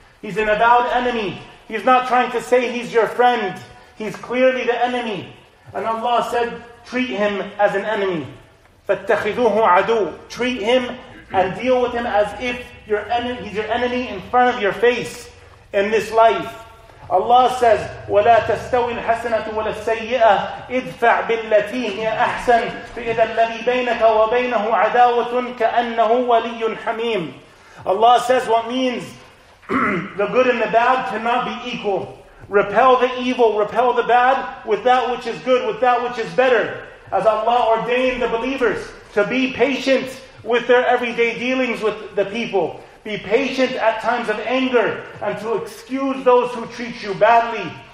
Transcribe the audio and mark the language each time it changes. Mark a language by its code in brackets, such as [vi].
[en] He's an avowed enemy. He's not trying to say he's your friend. He's clearly the enemy. And Allah said, treat him as an enemy. [ar] فَاتَّخِذُوهُ عَدُوَ [en] Treat him and deal with him as if your enemy, he's your enemy in front of your face in this life. Allah says, [ar] وَلَا تَسْتَوِي الْحَسَنَةُ وَلَا السَّيِّئَةُ اِدْفَعْ بِالَّتِي هِيَ أَحْسَنُ فَإِذَا الَّذِي بَيْنَكَ وَبَيْنَهُ عَدَاوَةٌ كَأَنَّهُ وَلِيٌّ حَمِيمٌ [en] Allah says what means the good and the bad cannot be equal. Repel the evil, repel the bad with that which is good, with that which is better. As Allah ordained the believers to be patient with their everyday dealings with the people. Be patient at times of anger and to excuse those who treat you badly.